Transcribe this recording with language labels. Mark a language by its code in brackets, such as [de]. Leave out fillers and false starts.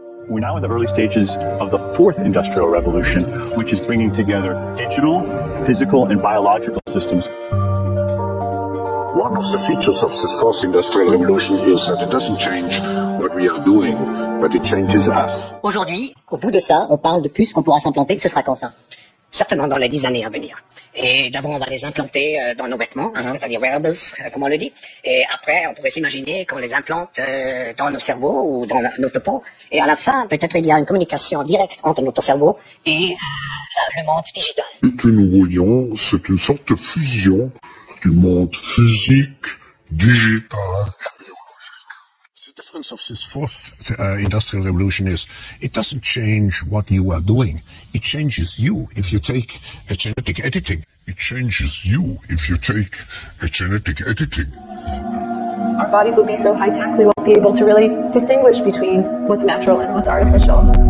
[en] We're now in the early stages of the fourth industrial revolution, which is bringing together digital, physical, and biological systems. One of the features of the fourth industrial revolution is that it doesn't change what we are doing, but it changes us. [fr] Aujourd'hui, au bout de ça, on parle de plus qu'on pourra s'implanter, que ce sera quand ça? Certainement dans les 10 années à venir. Et d'abord, on va les implanter dans nos vêtements, c'est-à-dire wearables, comme on le dit. Et après, on pourrait s'imaginer qu'on les implante dans nos cerveaux ou dans notre peau. Et à la fin, peut-être il y a une communication directe entre notre cerveau et le monde digital. Ce que nous voyons, c'est une sorte de fusion du monde physique, digital et biologique. [en] The difference of this fourth industrial revolution is it doesn't change what you are doing. It changes you if you take a genetic editing. It changes you if you take a genetic editing. Our bodies will be so high-tech, we won't be able to really distinguish between what's natural and what's artificial.